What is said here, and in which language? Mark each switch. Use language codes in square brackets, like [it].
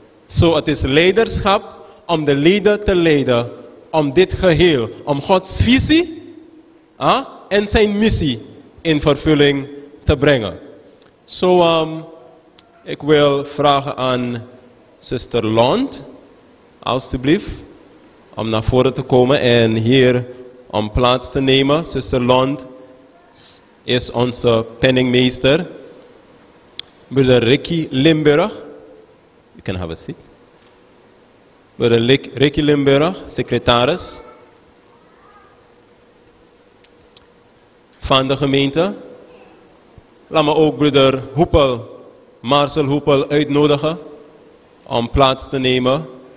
[nl] Zo, het is leiderschap om de leden te leiden om dit geheel, om Gods visie en zijn missie in vervulling te brengen. Zo, ik wil vragen aan zuster Lond, alstublieft, om naar voren te komen en hier om plaats te nemen. Zuster Lond is onze penningmeester. [en] Broeder Ricky Limburg, you can have a seat. [nl] Broeder Ricky Limburg, secretaris van de gemeente. Laat me ook broeder Hoepel, Marcel Hoepel uitnodigen om plaats te nemen.